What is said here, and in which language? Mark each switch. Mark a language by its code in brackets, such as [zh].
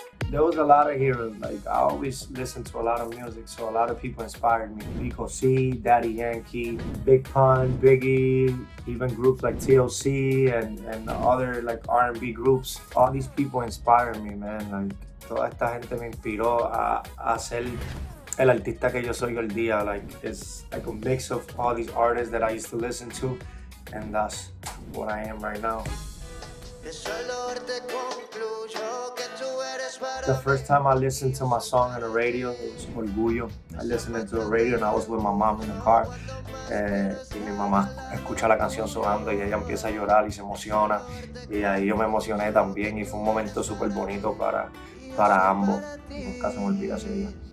[en] There was a lot of heroes. Like, I always listened to a lot of music, so a lot of people inspired me. Vico C, Daddy Yankee, Big Pun, Biggie, even groups like TLC and other like R&B groups. All these people inspired me, man. [es] Like, toda esta gente me inspiró a ser el artista que yo soy hoy día. [en] Like, it's like a mix of all these artists that I used to listen to, and that's what I am right now. The first time I listened to my song on the radio, it was Orgullo. I listened to the radio and I was with my mom in the car. [es] Y mi mamá escucha la canción sonando y ella empieza a llorar y se emociona. Y ahí yo me emocioné también y fue un momento súper bonito para ambos. Nunca se me olvida ese día.